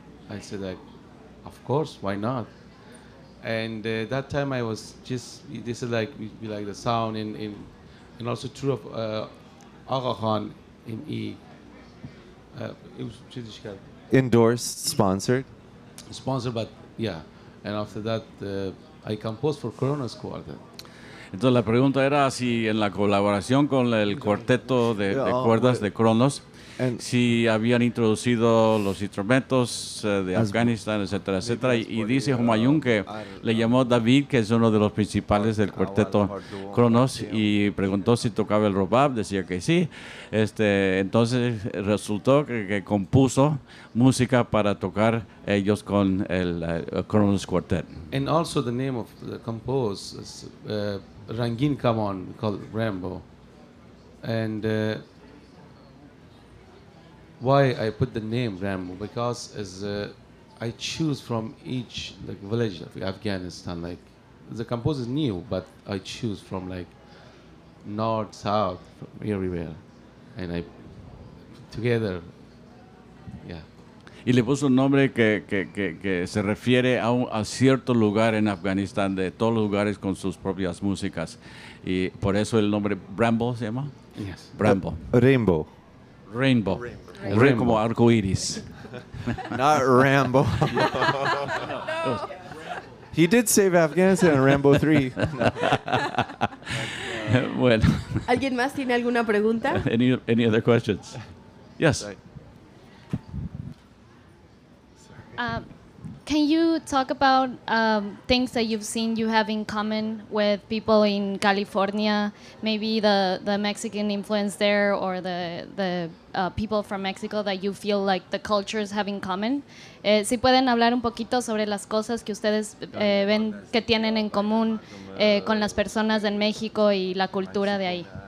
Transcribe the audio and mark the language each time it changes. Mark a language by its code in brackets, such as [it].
[en] I said, like, of course, why not? And that time I was just, this is like, we like the sound in and also true of Aga Khan in E. It was endorsed, sponsored. Sponsored, but yeah. And after that, I composed for Kronos Quartet. [es] Entonces la pregunta era si en la colaboración con el cuarteto de cuerdas de Kronos, si habían introducido los instrumentos de Afganistán, etcétera, etcétera. Y dice Humayun que le llamó David, que es uno de los principales del cuarteto Kronos, y preguntó si tocaba el rubab, decía que sí. Entonces resultó que compuso música para tocar ellos con el Kronos Quartet. [en] And also the name of the composer is Rangin Kamon, called Rambo. And why I put the name Rambo? Because I choose from each like village of Afghanistan. Like the composer is new, but I choose from like north, south, from everywhere, and I put together. Yeah. [es] Y le puso un nombre que se refiere a cierto lugar en Afganistán, de todos los lugares con sus propias músicas. Y por eso el nombre Rambo se llama. [en] Yes. Rambo. Rainbow. Rainbow. Rainbow. Rainbow. [es] Como arco iris. [en] Not Rambo. No. He did save Afghanistan in Rambo 3. [es] Bueno. ¿Alguien más tiene alguna pregunta? [en] Any other questions? Yes. Um, Can you talk about things that you've seen you have in common with people in California, maybe the Mexican influence there, or the people from Mexico that you feel like the cultures have in common? [es] ¿Sí pueden hablar un poquito sobre las cosas que ustedes ven que tienen en común con las personas en México y la cultura de ahí?